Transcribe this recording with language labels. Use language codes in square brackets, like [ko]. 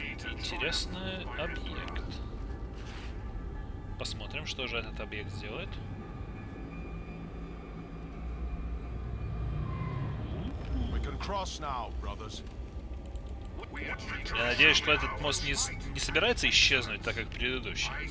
[ru] Интересный объект. Посмотрим, что же этот объект сделает. [en] We can cross now, brothers. [ru] Я надеюсь, что этот мост не собирается исчезнуть, так как предыдущий.